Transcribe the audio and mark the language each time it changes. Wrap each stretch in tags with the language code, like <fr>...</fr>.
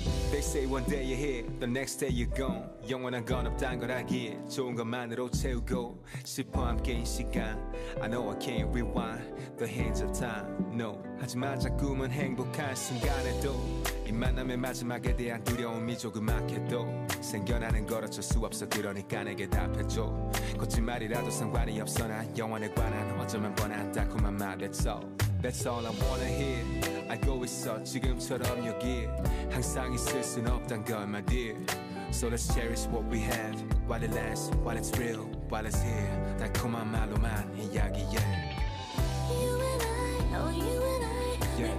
<en>They say one day you're here, the next day you're gone.</en> <ko>영원한 건 없단 걸 알기에 좋은 것만으로 채우고 싶어 함께 이 시간.</ko> <en>I know I can't rewind the hands of time.</en> <ko>No, 하지만 자꾸만 행복한 순간에도 이 만남의 마지막에 대한 두려움이 조그맣게도 생겨나는 걸 어쩔 수 없어. 그러니까 내게 답해줘. 거짓말이라도 상관이 없어. 난 영원에 관한 어쩌면 뻔한 달콤한 말.</ko> <en>That's all, that's all I wanna hear. I go</en> <ko>있어 지금처럼 여기 항상 있을 순 없단 걸,</ko> <en>my dear. So let's cherish what we have while it lasts, while it's real, while it's here.</en> <ko>달콤한 말로만 이야기해.</ko> <en>You and I, oh you and I, yeah.</en>